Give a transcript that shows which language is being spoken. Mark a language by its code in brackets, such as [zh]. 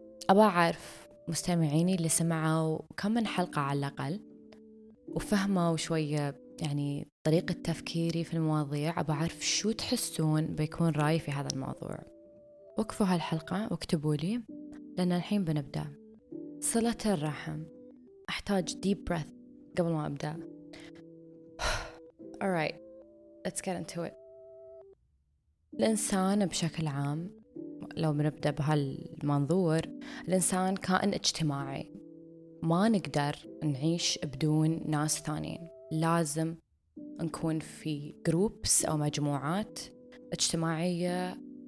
[ar] أبا عارف مستمعيني اللي سمعوا كم من حلقة على الأقل وفهموا شوية يعني طريقة تفكيري في المواضيع، أبى أعرف شو تحسون بيكون رأيي في هذا الموضوع. وقفوا هالحلقة واكتبوا لي، لأن الحين بنبدأ. صلة الرحم، أحتاج [en] deep breath [ar] قبل ما أبدأ. [en] Alright, let's get into it. [ar] الإنسان بشكل عام، لو بنبدأ بهالمنظور، الإنسان كائن اجتماعي، ما نقدر نعيش بدون ناس ثانين، لازم نكون في groups أو مجموعات اجتماعية.